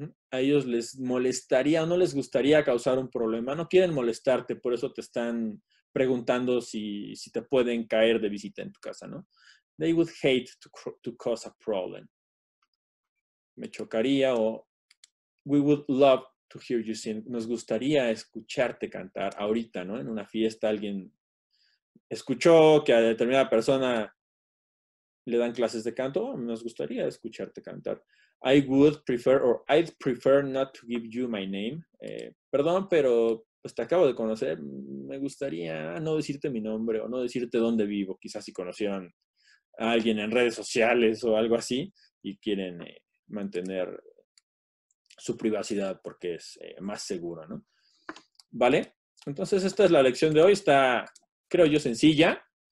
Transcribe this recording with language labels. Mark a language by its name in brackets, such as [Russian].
[Spanish] A ellos les molestaría o no les gustaría causar un problema. No quieren molestarte, por eso te están preguntando si te pueden caer de visita en tu casa, ¿no? [English] They would hate to cause a problem. [Spanish] Me chocaría o [English] we would love to hear you sing. [Spanish] Nos gustaría escucharte cantar ahorita, ¿no? En una fiesta alguien escuchó que a determinada persona le dan clases de canto. Oh, nos gustaría escucharte cantar. [English] I would prefer or I'd prefer not to give you my name. [Spanish] Perdón, pero pues te acabo de conocer. Me gustaría no decirte mi nombre o no decirte dónde vivo. Quizás si conocieron a alguien en redes sociales o algo así y quieren mantener su privacidad porque es más seguro, ¿no? ¿Vale? Entonces esta es la lección de hoy. Está, creo yo, sencilla.